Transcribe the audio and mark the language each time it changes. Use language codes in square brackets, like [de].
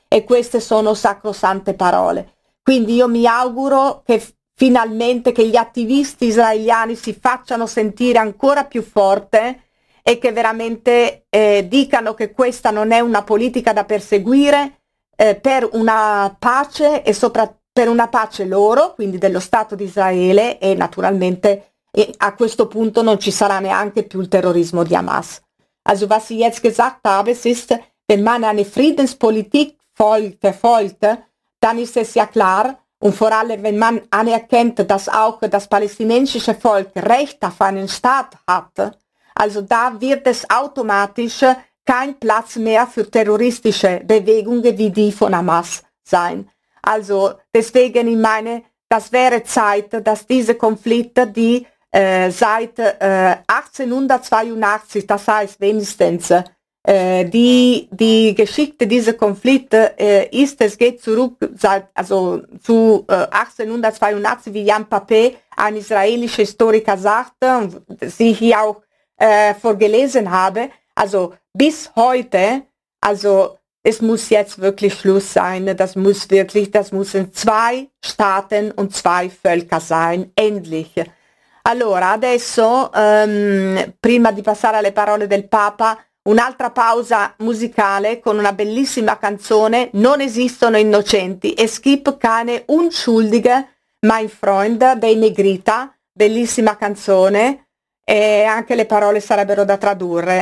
[it] E queste sono sacrosante parole. Quindi io mi auguro che finalmente che gli attivisti israeliani si facciano sentire ancora più forte e che veramente dicano che questa non è una politica da perseguire per una pace e per una pace loro, quindi dello Stato di Israele, e naturalmente a questo punto non ci sarà neanche più il terrorismo di Hamas. [de] Also was ich jetzt gesagt habe, ist, wenn man eine Friedenspolitik folgt, dann ist es ja klar, und vor allem wenn man anerkennt, dass auch das palästinensische Volk Recht auf einen Staat hat, also da wird es automatisch kein Platz mehr für terroristische Bewegungen wie die von Hamas sein. Also deswegen, ich meine, das wäre Zeit, dass diese Konflikte, die seit 1882, das heißt wenigstens, die Geschichte dieser Konflikte ist, es geht zurück seit, also zu 1882, wie Jan Papé, ein israelischer Historiker, sagte, und sie hier auch vorgelesen habe, also bis heute, also es muss jetzt wirklich Schluss sein, das muss wirklich, das müssen zwei Staaten und zwei Völker sein, endlich. [it] Allora, adesso, prima di passare alle parole del Papa, un'altra pausa musicale con una bellissima canzone, Non esistono innocenti, e Skip [de] Keine Unschuldige, Mein Freund, [it] dei Negrita, bellissima canzone, e anche le parole sarebbero da tradurre.